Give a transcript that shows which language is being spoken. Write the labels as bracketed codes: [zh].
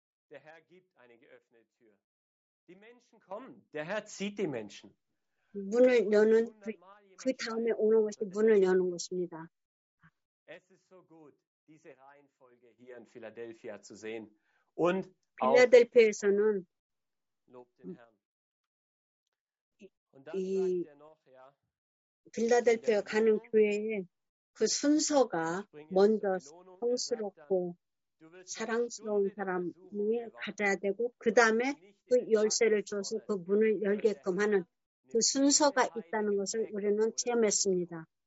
[ko] Der Herr gibt eine geöffnete Tür. Die Menschen kommen. Der Herr zieht die Menschen. 문을 여는 그 다음에 오는 것이 문을 여는 것입니다. [de] Es ist so gut, diese Reihenfolge hier in Philadelphia zu sehen. Und [ko] Philadelphia에서는 [de] lobt den Herrn. Und dann sagt er noch, ja. [ko] 빌라델피아 가는 교회에 그 순서가 먼저 성스럽고 사랑스러운 사람이 가져야 되고 그 다음에 그 열쇠를 줘서 그 문을 열게끔 하는 그 순서가 있다는 것을 우리는 체험했습니다.